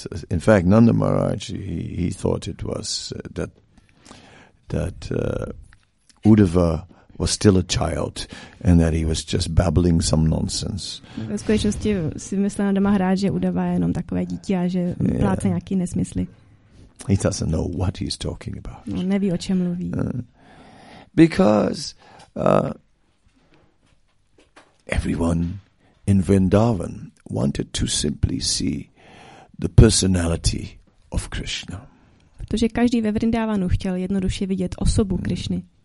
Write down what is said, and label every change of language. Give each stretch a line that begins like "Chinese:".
English: In fact, Nanda Maharaj, he thought it was that Uddhava was still a child and that he was just babbling some nonsense.
Czech: Ve skutečnosti si myslel Nanda Maharaj, že Uddhava je jenom takové dítě a že plácá nějaký nesmysly.
English: He doesn't know what he's talking about.
Czech: No, neví, o čem mluví.
English: Because everyone in Vrindavan wanted to simply see the personality of Krishna.
Czech: Protože každý ve Vrindavanu chtěl jednoduše vidět osobu Krishny.